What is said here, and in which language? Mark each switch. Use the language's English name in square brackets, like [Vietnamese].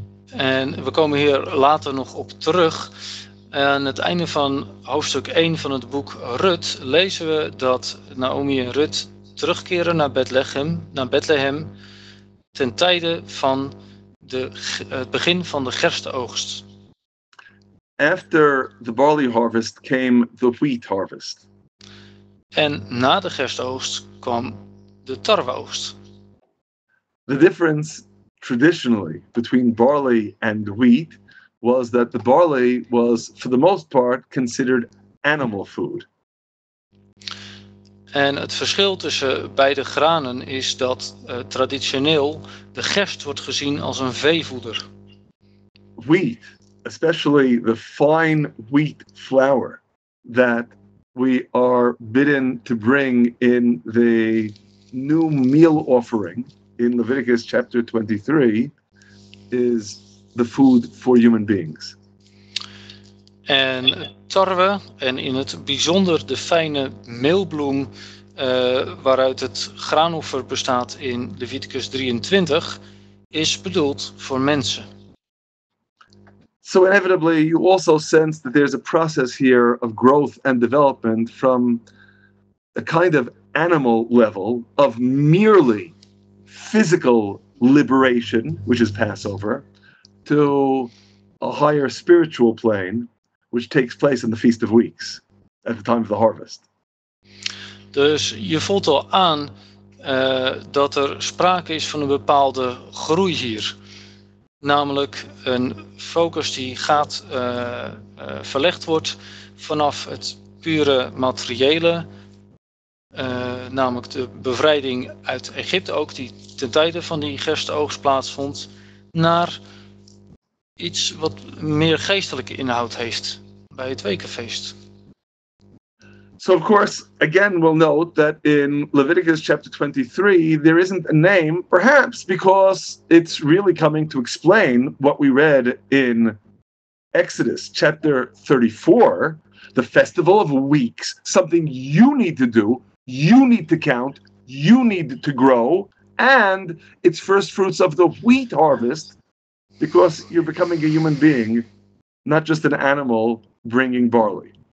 [Dutch] En we komen hier later nog op terug. Aan het einde van hoofdstuk 1 van het boek Rut lezen we dat Naomi en Rut terugkeren naar Bethlehem ten tijde van het begin van de gerstoogst. [English] After the barley harvest came the wheat harvest. [Dutch] En na de gerstoogst kwam de tarweoogst. [English] The difference traditionally between barley and wheat was that the barley was for the most part considered animal food. [Dutch] En het verschil tussen beide granen is dat traditioneel de gerst wordt gezien als een veevoeder. [English] Wheat, especially the fine wheat flour that we are bidden to bring in the new meal offering in Leviticus chapter 23, is the food for human beings. [Dutch] En tarwe, en in het bijzonder de fijne meelbloem waaruit het graanoffer bestaat in Leviticus 23, is bedoeld voor mensen. [English] So inevitably you also sense that there's a process here of growth and development from a kind of animal level of merely physical liberation, which is Passover, to a higher spiritual plane, which takes place in the Feast of Weeks, at the time of the harvest. [Dutch] Dus je voelt al aan dat er sprake is van een bepaalde groei hier. Namelijk een focus die gaat verlegd wordt vanaf het pure materiële, namelijk de bevrijding uit Egypte ook, die ten tijde van die gerstoogst plaatsvond, naar iets wat meer geestelijke inhoud heeft bij het wekenfeest. [English] So of course, again we'll note that in Leviticus chapter 23 there isn't a name, perhaps because it's really coming to explain what we read in Exodus chapter 34, the festival of weeks, something you need to do, you need to count, you need to grow, and it's first fruits of the wheat harvest, because you're becoming a human being, not just an animal bringing barley.